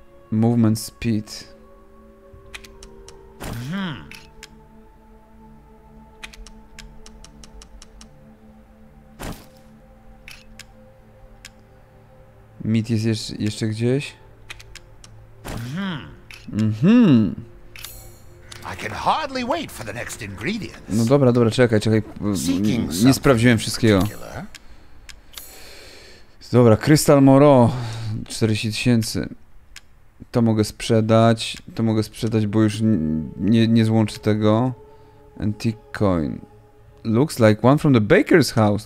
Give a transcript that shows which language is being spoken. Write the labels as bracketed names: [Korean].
[English] Movement speed. [Polish] Mit jest jeszcze gdzieś? [English] I can hardly wait for the next ingredients. [Polish] No dobra, dobra, czekaj, czekaj. Nie sprawdziłem wszystkiego. Dobra, Crystal Moro 40 tysięcy. To mogę sprzedać. To mogę sprzedać, bo już nie złączę tego. [English] Antique coin. Looks like one from the baker's house.